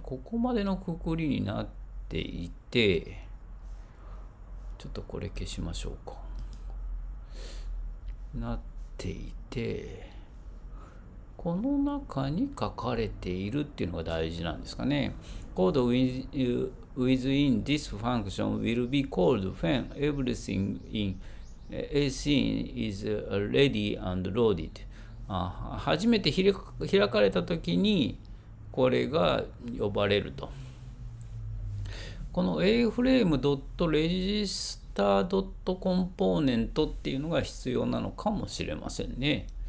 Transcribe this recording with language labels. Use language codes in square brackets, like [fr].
[ja] ここまでのくくりになっていて、ちょっとこれ消しましょうか。なっていて、この中に書かれているっていうのが大事なんですかね。 [en] Code within this function will be called when everything in a scene is ready and loaded。 [ja] 初めて開かれた時にこれが呼ばれると。この aframe.register.component っていうのが必要なのかもしれませんね。